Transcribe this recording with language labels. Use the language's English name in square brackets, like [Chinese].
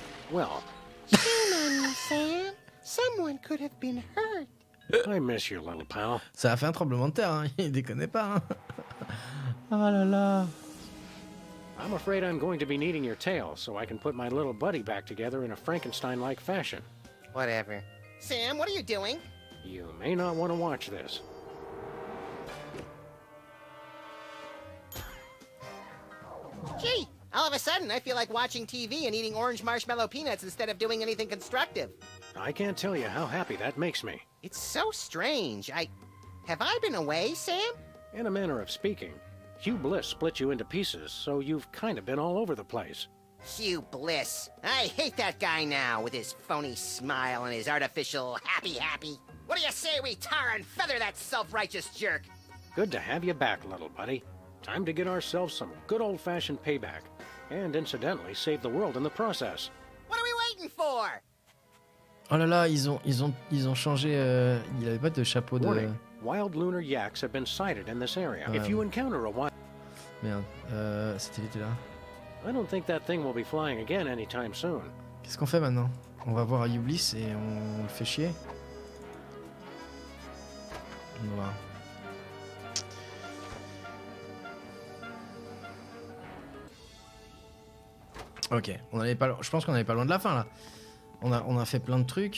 [English] Well. Come on, Sam. Someone could have been hurt. I miss you, little pal. [French] Ça a fait un tremblement de terre, hein. Il déconne pas, hein. Ah là là. [English] I'm afraid I'm going to be needing your tail so I can put my little buddy back together in a Frankenstein-like fashion. Whatever. Sam, what are you doing? You may not want to watch this. Gee, all of a sudden I feel like watching TV and eating orange marshmallow peanuts instead of doing anything constructive. I can't tell you how happy that makes me. It's so strange. Have I been away, Sam? In a manner of speaking. Hugh Bliss split you into pieces, so you've kind of been all over the place. Hugh Bliss. I hate that guy now, with his phony smile and his artificial happy-happy. What do you say we tar and feather that self-righteous jerk? Good to have you back, little buddy. Time to get ourselves some good old-fashioned payback. And incidentally, save the world in the process. What are we waiting for? [French] Oh là là, ils ont changé, il avait pas de chapeau de... [English] Warning. Wild lunar yaks have been sighted in this area. Ouais. If you encounter a wild... [French] Merde, c'était vite là. [English] I don't think that thing will be flying again anytime soon. [French] Qu'est-ce qu'on fait maintenant? On va voir Ublis et on le fait chier. Voilà. Ok, on allait pas... je pense qu'on n'allait pas loin de la fin là. On a fait plein de trucs.